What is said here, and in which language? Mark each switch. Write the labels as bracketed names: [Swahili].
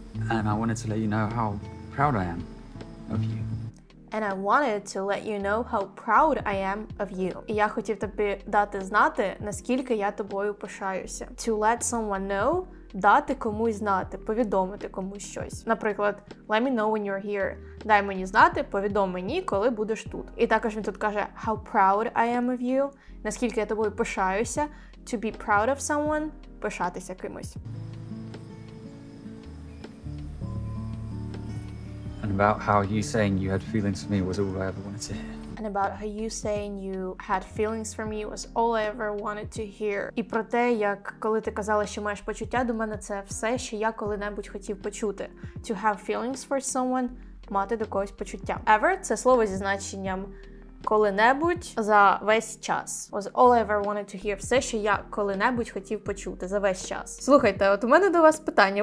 [English] And I wanted to let you know how proud I am of you. And I wanted to let you know how proud I am of you. [Ukrainian] І я хотів тобі дати знати, наскільки я тобою пишаюся. [English] To let someone know [Ukrainian] – дати комусь знати, повідомити комусь щось. [English] Наприклад, let me know when you're here. [Ukrainian] Дай мені знати, повідоми мені, коли будеш тут. І також він тут каже [English] how proud I am of you [Ukrainian] – наскільки я тобою пишаюся. [English] To be proud of someone [Ukrainian] – пишатися кимось. [English] And about how you saying you had feelings for me was all I ever wanted to hear. And about how you saying you had feelings for me was all I ever wanted to hear. [Ukrainian] І про те, як коли ти казала, що маєш почуття до мене, це все, що я коли-небудь хотів почути. [English] To have feelings for someone [Ukrainian] – мати до когось почуття. Ever – це слово зі значенням коли-небудь за весь час. [English] Was all I ever wanted to hear. [Ukrainian] Все, що я коли-небудь хотів почути за весь час. Слухайте, от у мене до вас питання.